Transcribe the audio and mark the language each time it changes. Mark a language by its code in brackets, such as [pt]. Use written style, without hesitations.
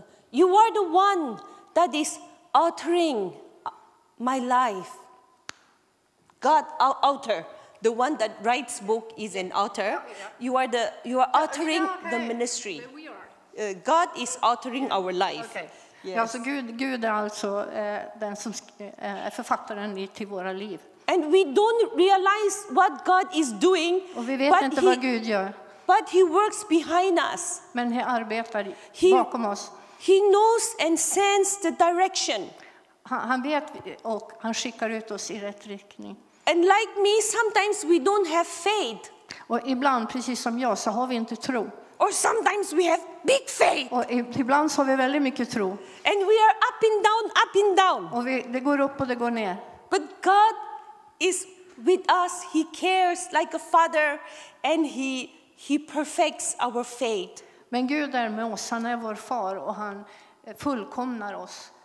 [en] You are the one that is altering my life. God author, the one that writes book is an author. You are altering the ministry. God is altering our life. Okay. [sv] Yes. Ja, så Gud är alltså den som är författaren till våra liv. [en] And we don't realize what God is doing. [sv] Och vi vet inte vad Gud gör. [en] But he works behind us. [sv] Men han arbetar bakom oss. [en] He knows and sends the direction. [sv] Han vet och han skickar ut oss i rätt riktning. [en] And like me, sometimes we don't have faith. [sv] Och ibland, precis som jag, så har vi inte tro. [en] Or sometimes we have big faith. [sv] Och ibland så har vi väldigt mycket tro. [en] And we are up and down. [sv] Och det går upp och det går ner. [en] But God is with us. He cares like a father, and He perfects our faith. [sv] Men Gud är med oss, han är vår far och han fullkomnar oss.